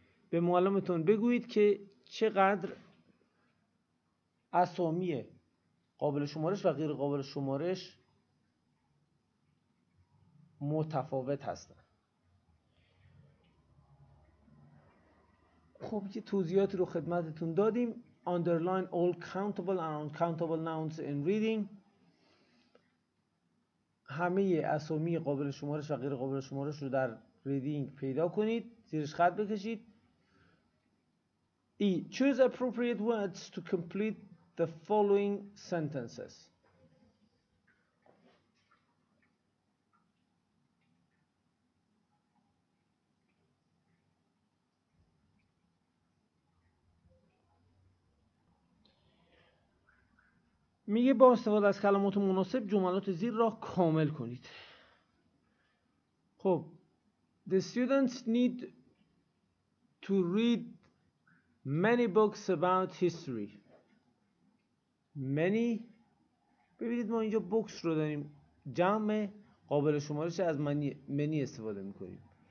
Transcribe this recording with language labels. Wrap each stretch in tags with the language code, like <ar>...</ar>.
<fa>به معلمتون بگویید که چقدر اسامی قابل شمارش و غیر قابل شمارش متفاوت هستن. خب یه توضیحاتی رو خدمتتون دادیم.</fa> <en>Underline all countable and uncountable nouns in reading.</en> <fa>همه اسامی قابل شمارش و غیر قابل شمارش رو در reading پیدا کنید، زیرش خط بکشید.</fa> <en>E. Choose appropriate words to complete the following sentences.</en> <fa>میگه با استفاده از کلمات مناسب جملات زیر را کامل کنید.</fa> <en>خب The students need to read many books about history.</en> <fa>Many، ببینید ما اینجا books رو داریم، جمع قابل شمارش از many استفاده میکنیم.</fa>